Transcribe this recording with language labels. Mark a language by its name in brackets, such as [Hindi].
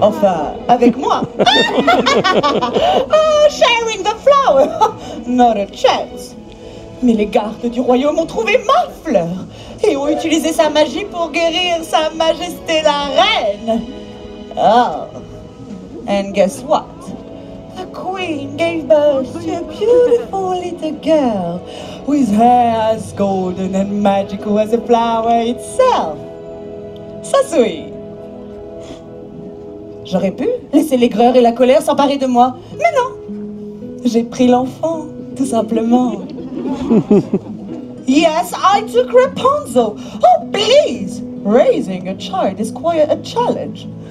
[French] Enfin, avec moi. [English] Oh, sharing the flower. Not a chance. [French] Mais les gardes du royaume ont trouvé ma fleur et ont utilisé sa magie pour guérir sa majesté la reine. [English] Oh, and guess what? The queen gave birth to a beautiful little girl with hair as golden and magical as the flower itself. Sasui. [French] J'aurais pu laisser l'aigreur et la colère s'emparer de moi, mais non. J'ai pris l'enfant, tout simplement. [English] Yes, I took Rapunzel. Oh, please! Raising a child is quite a challenge.